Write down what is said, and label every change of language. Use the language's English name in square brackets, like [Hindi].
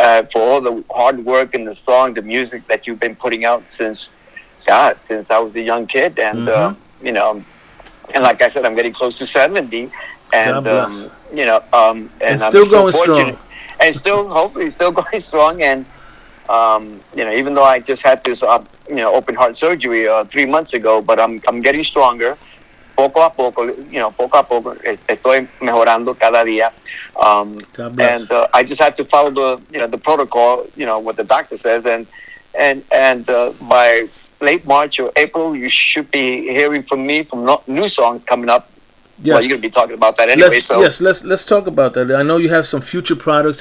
[English] For all the hard work and the song, the music that you've been putting out since I was a young kid, and and like I said, I'm getting close to 70, and I'm still going strong, and still hopefully still going strong, and even though I just had this open heart surgery 3 months ago, but I'm getting stronger. [Spanish] Poco a poco, poco a poco, estoy mejorando cada día. [English] God bless. I just have to follow the protocol, what the doctor says. And by late March or April, you should be hearing from me from new songs coming up. Yes. Well, you're going to be talking about that anyway. Let's talk about that. I know you have some future products.